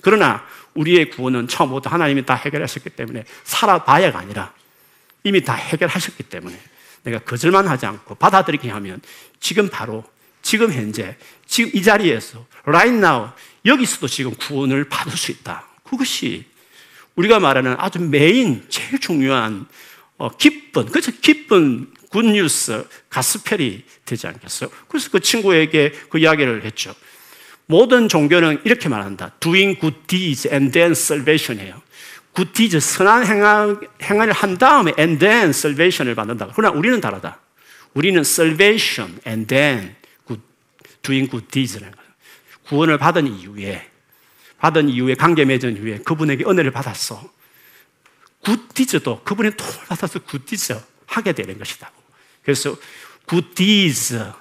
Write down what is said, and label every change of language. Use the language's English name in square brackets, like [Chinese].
[Korean] 그러나 우리의 구원은 처음부터 하나님이 다 해결하셨기 때문에 살아봐야가 아니라 이미 다 해결하셨기 때문에 내가 거절만 하지 않고 받아들이게 하면 지금 바로 지금 현재 지금 이 자리에서 right now 여기서도 지금 구원을 받을 수 있다. 그것이 우리가 말하는 아주 메인 제일 중요한 기쁜 그렇죠? 기쁜 굿뉴스 가스펠이 되지 않겠어요? 그래서 그 친구에게 그 이야기를 했죠. 모든 종교는 이렇게 말한다. [English] Doing good deeds and then salvation이에요. [Korean] Good deeds, 선한 행위를 한 다음에 and then salvation 을 받는다. 그러나 우리는 다르다. 우리는 salvation and then doing good deeds 라는 거예요. 구원을 받은 이후에 관계 맺은 이후에 그분에게 은혜를 받았어. Good deeds 도 그분의 도움을 받아서 good deeds 하게 되는 것이다. [English] 그래서 good deeds.